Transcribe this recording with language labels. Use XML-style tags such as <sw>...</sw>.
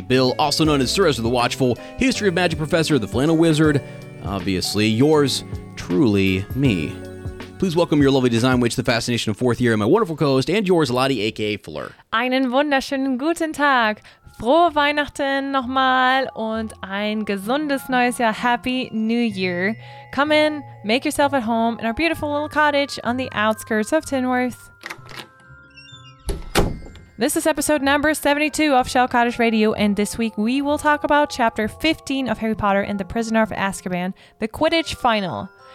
<en>Bill, also known as Sir Ezra the Watchful, History of Magic Professor, the Flannel Wizard, obviously yours, truly me. Please welcome your lovely design witch, the Fascination of Fourth Year, and my wonderful co-host, and yours, Lottie, a.k.a. Fleur.</en> <de>Einen wunderschönen guten Tag. Frohe Weihnachten nochmal und ein gesundes neues Jahr.</de> <en>Happy New Year. Come in, make yourself at home in our beautiful little cottage on the outskirts of Tinworth. This is episode number 72 of Shell Cottage Radio, and this week we will talk about chapter 15 of Harry Potter and the Prisoner of Azkaban, the Quidditch final.</en>